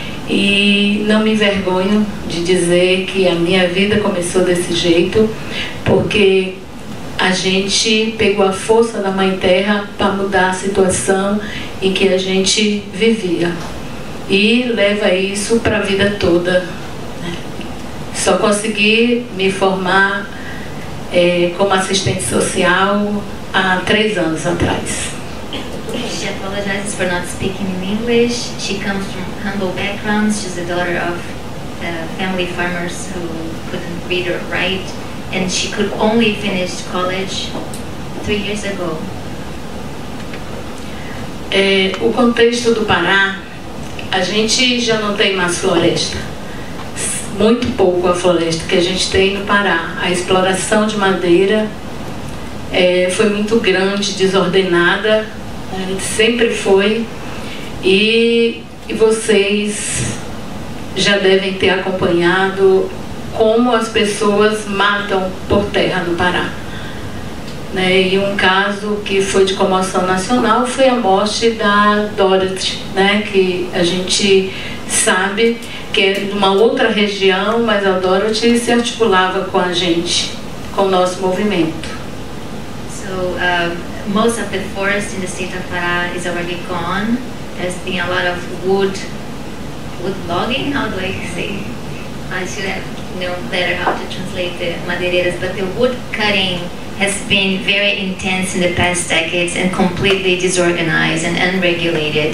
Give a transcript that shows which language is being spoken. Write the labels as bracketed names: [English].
[Portuguese] E não me envergonho de dizer que a minha vida começou desse jeito, porque a gente pegou a força da Mãe Terra para mudar a situação em que a gente vivia. E leva isso para a vida toda. Só consegui me formar como assistente social há 3 anos atrás. [English] She apologizes for not speaking in English. She comes from humble backgrounds. She's the daughter of family farmers who couldn't read or write. And she could only finish college 3 years ago. [Portuguese] O contexto do Pará, a gente já não tem mais floresta. muito pouco a floresta que a gente tem no Pará. A exploração de madeira foi muito grande, desordenada, sempre foi. E vocês já devem ter acompanhado como as pessoas matam por terra no Pará. Né? E um caso que foi de comoção nacional foi a morte da Dorothy, né? Que a gente sabe que é de uma outra região, mas a Dorothy se articulava com a gente, com o nosso movimento. [English] So, most of the forest in the state of Pará is already gone. There's been a lot of wood logging, how do I say? I should have known better how to translate the madeireiras, but the wood cutting has been very intense in the past decades and completely disorganized and unregulated.